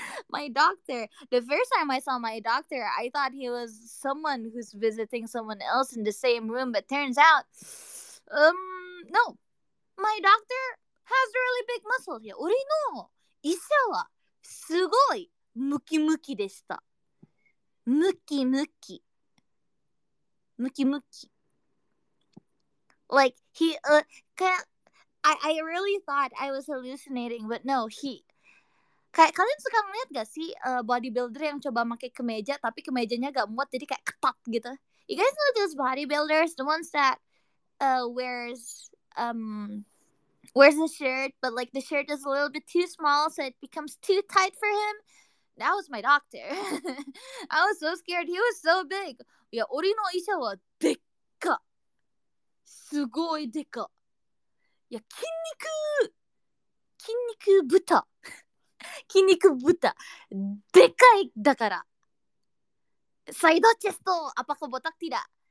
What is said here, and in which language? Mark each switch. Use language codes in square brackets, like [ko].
[en] My doctor, the first time I saw my doctor, I thought he was someone who's visiting someone else in the same room, but turns out, no, my doctor... Has really big muscles. [ja] いや、俺の医者はすごいムキムキでした。ムキムキ。ムキムキ。 [en] Like, he, I really thought I was hallucinating, but no, he. [id] Kalian suka ngeliat gak sih bodybuilder yang coba pakai kemeja, tapi kemejanya gak muat, jadi kayak ketat gitu? [en] You guys know those bodybuilders? The ones that wears a shirt, but like the shirt is a little bit too small, so it becomes too tight for him. That was my doctor. I was so scared. He was so big. [ja] いや、俺の医者はでっか。すごいでか。いや、筋肉豚。でかいだから。サイドチェスト、アパコボタクティだ。